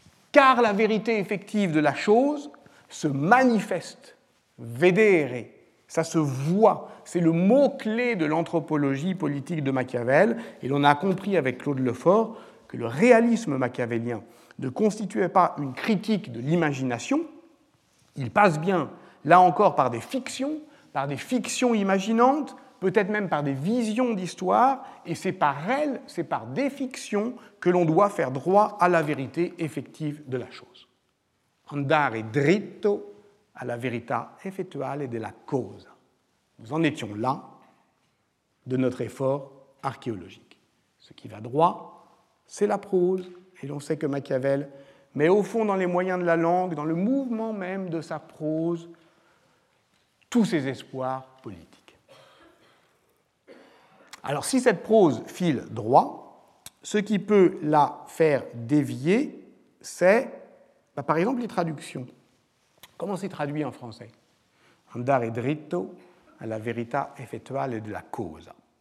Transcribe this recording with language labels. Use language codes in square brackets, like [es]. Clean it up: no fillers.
[fr] Car la vérité effective de la chose se manifeste, vedere, ça se voit, c'est le mot-clé de l'anthropologie politique de Machiavel, et l'on a compris avec Claude Lefort que le réalisme machiavélien ne constituait pas une critique de l'imagination, il passe bien, là encore, par des fictions imaginantes, peut-être même par des visions d'histoire, et c'est par elles, c'est par des fictions que l'on doit faire droit à la vérité effective de la chose. [it] Andare dritto a la verità effettuale della cosa. [fr] Nous en étions là de notre effort archéologique. Ce qui va droit, c'est la prose, et l'on sait que Machiavel met au fond dans les moyens de la langue, dans le mouvement même de sa prose, tous ses espoirs politiques. Alors, si cette prose file droit, ce qui peut la faire dévier, c'est, bah, par exemple, les traductions. Comment c'est traduit en français ? [it] Andare dritto a la verità effettuale della cosa.